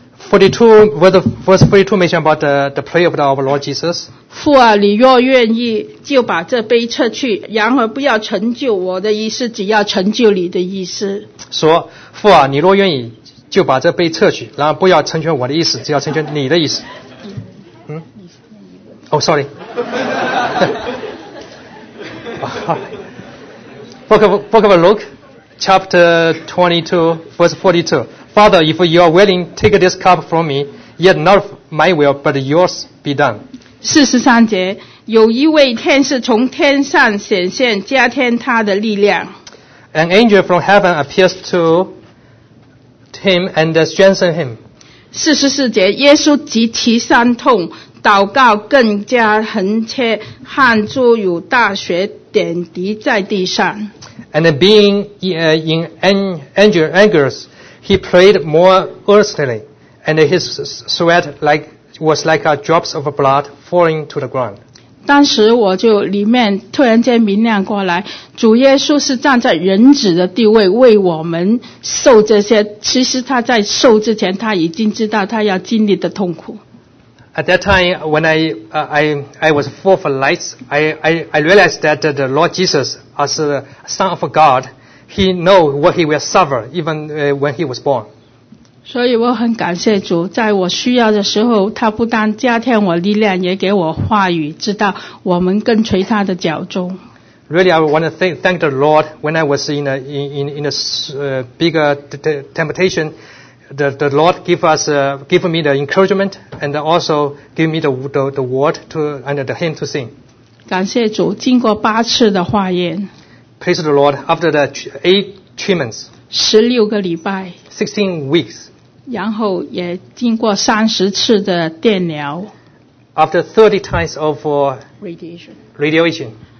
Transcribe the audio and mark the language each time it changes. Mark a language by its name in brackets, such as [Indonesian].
[English] Verse 42 mentioned about the prayer of our Lord Jesus. [Chinese] 父啊，你若愿意，就把这杯撤去，然而不要成就我的意思，只要成就你的意思。说，父啊，你若愿意，就把这杯撤去，然后不要成全我的意思，只要成全你的意思。 [English] Sorry. Book of Luke, chapter 22, verse 42. Father, if you are willing, take this cup from me, yet not my will, but yours be done. [Chinese] 43节，有一位天使从天上显现，加添他的力量。 [English] An angel from heaven appears to him and strengthens him. [Chinese] 44节，耶稣极其伤痛，祷告更加恳切，汗珠如大雪点滴在地上。 [English] And being in anger, He prayed more earnestly, and his sweat was like drops of blood falling to the ground. [Chinese] 当时我就里面突然间明亮过来，主耶稣是站在人子的地位为我们受这些。其实他在受之前，他已经知道他要经历的痛苦。 [English] At that time, when I was full of light, I realized that the Lord Jesus, as the Son of God,He knows what he will suffer even when he was born. [Chinese] 所以我很感谢主，在我需要的时候，他不但加添我力量，也给我话语，知道我们跟随他的脚踪。 [English] Really, I want to thank the Lord when I was in a bigger temptation. The Lord gave me the encouragement and also gave me the word to and the hymn to sing. [Chinese] 感谢主，经过八次的化验。 [English] Praise the Lord, after the 8 treatments, [Chinese] 16个礼拜 [English] 16 weeks, [Chinese] 然后也经过30次的电疗 [English] after 30 times of radiation,